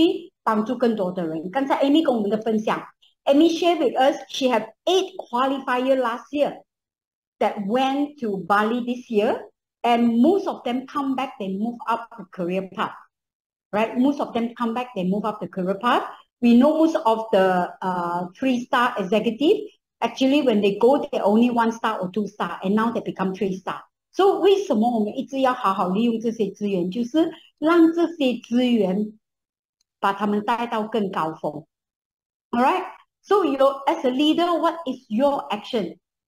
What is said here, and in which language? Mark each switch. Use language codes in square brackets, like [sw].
[zh] 然后回来有这个激励再去帮助更多的人。刚才 [en] Amy [zh] 跟我们的分享， [en] Amy shared with us she had 8 qualifiers last year that went to Bali this year, and most of them come back, they move up the career path, right? Most of them come back, they move up the career path. We know most of the 3-star executive, actually when they go, they're only 1-star or 2-star, and now they become 3-star. [zh] So 为什么我们一直要好好利用这些资源，就是 让这些资源把他们带到更高峰. [en] Alright, so you as a leader, what is your action?